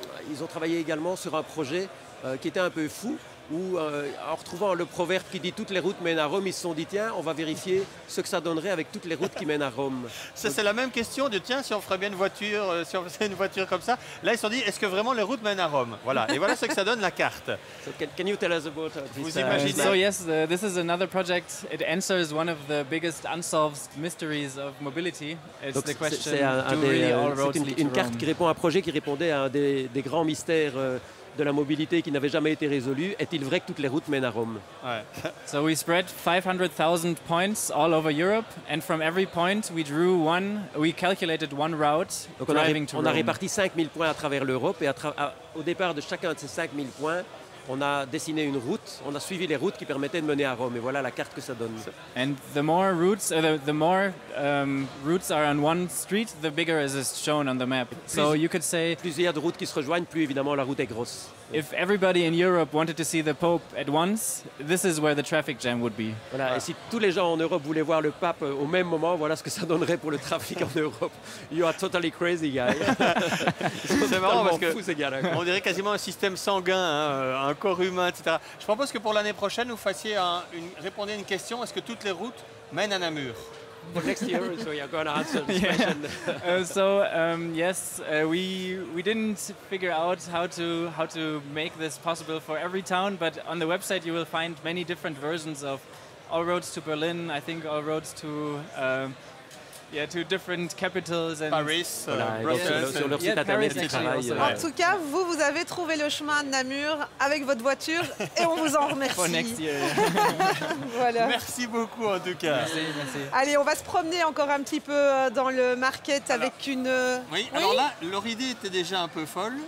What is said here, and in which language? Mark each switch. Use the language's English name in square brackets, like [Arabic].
[French] Ils ont travaillé également sur un projet qui était un peu fou où en retrouvant le proverbe qui dit toutes les routes mènent à Rome, ils se sont dit tiens, on va vérifier ce que ça donnerait avec toutes les routes qui mènent à Rome. Ça, donc, c'est la même question de tiens, si on ferait bien une voiture, si on faisait une voiture comme ça. Là, ils se sont dit, est-ce que vraiment les routes mènent à Rome? Voilà, et voilà ce que ça donne, la carte. [English] So, can you tell us about this? [French] Vous imaginez? [English] So yes, this is another project. It answers one of the biggest unsolved mysteries of mobility. It's [French] donc, [English] the question, [French] c'est [English] do really all roads [French] c'est une carte qui répond à un projet qui répondait à un des grands mystères de la mobilité qui n'avait jamais été résolue. Est-il vrai que toutes les routes mènent à Rome? [English] So we spread 500,000 points all over Europe, and from every point we drew one, we calculated one route driving to Rome. [French] On a réparti 5000 points à travers l'Europe, et au départ de chacun de ces 5000 points, on a dessiné une route, on a suivi les routes qui permettaient de mener à Rome. Et voilà la carte que ça donne. [English] And the more routes, routes are on one street, the bigger is it shown on the map. So you could say, [French] plus il y a de routes qui se rejoignent, plus évidemment la route est grosse. [English] If everybody in Europe wanted to see the Pope at once, this is where the traffic jam would be. [French] Voilà. Et si tous les gens en Europe voulaient voir le Pape au même moment, voilà ce que ça donnerait pour le trafic en Europe. [English] You are totally crazy, guy. [French] C'est marrant parce que fou, ces gars-là. On dirait quasiment un système sanguin, hein, un corps humain, etc. Je propose que pour l'année prochaine, vous fassiez répondez à une question. Est-ce que toutes les routes mènent à Namur? [English] For next year, so you're going to answer this question. So we didn't figure out how to make this possible for every town, but on the website you will find many different versions of all roads to Berlin. I think all roads to to different capitals and Paris, Brussels. Paris, actually. [French] En tout cas, vous avez trouvé le chemin à Namur avec votre voiture et on vous en remercie. [English] For next year. [French] Voilà. Merci beaucoup, en tout cas. Merci. Allez, on va se promener encore un petit peu dans le market avec une... Oui, alors là, leur idée était déjà un peu folle.